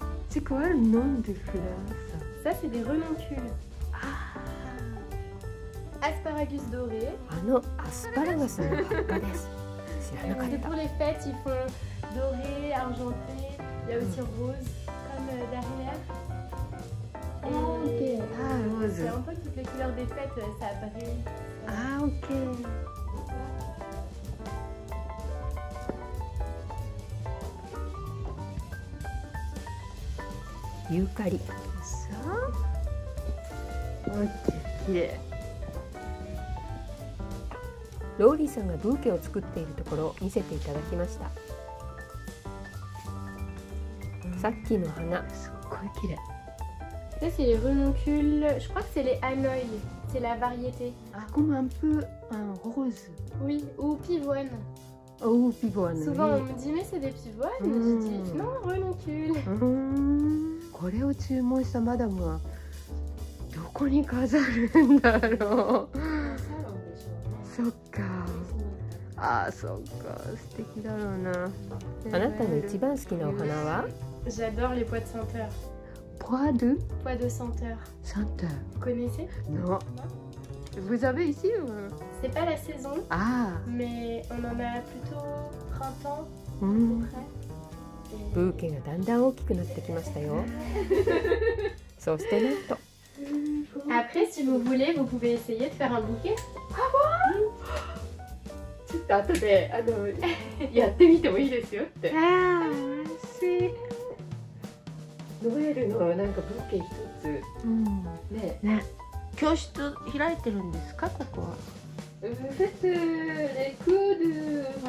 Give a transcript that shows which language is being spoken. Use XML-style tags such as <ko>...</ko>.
<fr>C'est quoi le nom de fleur ça? Ça c'est des renoncules. Ah. Asparagus doré.</fr> <ja>あのアスパラガスの葉っぱです。知らなかった。</ja> <fr>Pour les fêtes, ils font doré, argenté. Il y a aussi rose, comme derrière. Ah, ok. C'est un peu toutes les couleurs des fêtes, ça apparaît. Ah, ok. Eucalyptus. Ça? Ok, qui est?</fr> <ja>Lori さんがブーケを作っているところを見せていただきました。さっきの花。すっごい綺麗。</ja> <fr>Ça c'est les renoncules, je crois que c'est les anoïs, c'est la variété. Ah, comme un peu un rose. Oui, ou pivoine. Oh, pivoine. Souvent oui. On me dit mais c'est des pivoines, mm. Je dis non, renoncule.</fr> <ja>これを注文したマダムはどこに飾るんだろう。サロンでしょうね。そっか。ああ、そっか。素敵だろうな。あなたの一番好きなお花は？</ja> <fr>J'adore les pois de senteur. Pois de senteur. Senteur. Vous connaissez? Non. Vous avez ici ou? C'est pas la saison. Ah. Mais on en a plutôt printemps, à peu près.</fr> <ja>Bouquet がだんだん大きくなってきましたよ。そしてなんと。</ja> <fr>Après, si vous voulez, vous pouvez essayer de faire un bouquet. Ah bon?</fr> <ja>ちょっと後で、あの、やってみてもいいですよって。</ja> <fr>Ah, merci.</fr> <ja>ノエルのなんかブッケ一つ、うん、ね、ね、教室開いてるんですかここは。ウフフレクール、</ja>